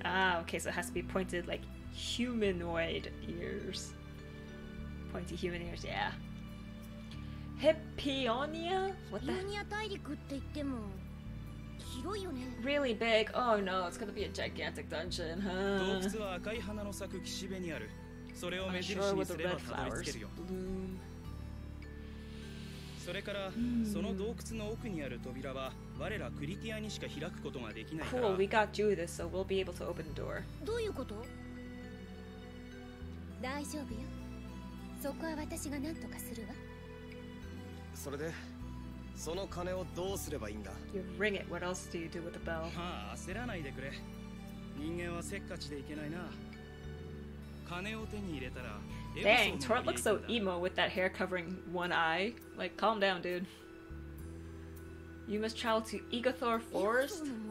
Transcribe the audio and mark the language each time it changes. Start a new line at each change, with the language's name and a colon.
English: Ah, okay, so it has to be pointed like humanoid ears. Pointy human ears, yeah. Hippionia? What the?
Japanese: Hippionia 大陸って言っても広いよね。
English: Really big? Oh no, it's gonna be a gigantic dungeon, huh?
Japanese: 洞窟は赤い花の咲く岸辺にある。それを目印にすればたどり着けるよ。
English: I'm sure with the red flowers bloom.
Japanese: それから、その洞窟の奥にある扉は我らクリティアにしか開くことができないから。
English: Cool, we got Judith, so we'll be able to open the door.
Japanese: どういうこと？大丈夫よ。そこは私が何とかするわ。それで、その鐘をどうすればいいんだ？
English: You ring it. What else do you do with the bell?
Japanese: はあ、焦らないでくれ。人間はせっかちでいけないな。鐘を手に入れたら、
English: Dang, Tort looks so emo with that hair covering one eye. Like, calm down, dude. You must travel to Igathor Forest?